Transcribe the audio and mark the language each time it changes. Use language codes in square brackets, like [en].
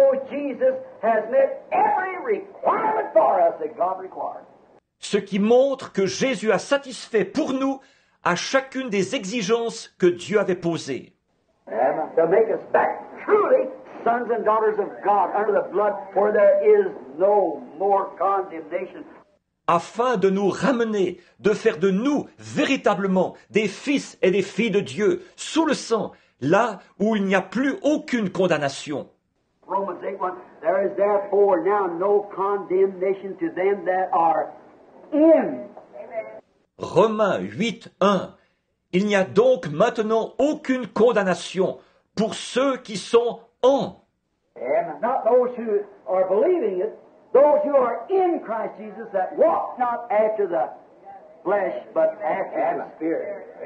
[en] Jesus has met every requirement for us that God requires. [fr] ce qui montre que Jésus a satisfait pour nous à chacune des exigences que Dieu avait posées. [en] To make us back truly sons and daughters of God under the blood, for there is no more condemnation. [fr] Afin de nous ramener, de faire de nous véritablement des fils et des filles de Dieu sous le sang, là où il n'y a plus aucune condamnation. [en] Romans 8:1, there is therefore now no condemnation to them that are in. [fr] Romains 8:1, il n'y a donc maintenant aucune condamnation pour ceux qui sont en. [en] Not those who are believing it. Those who are in Christ Jesus that walk not after the flesh but after the Spirit.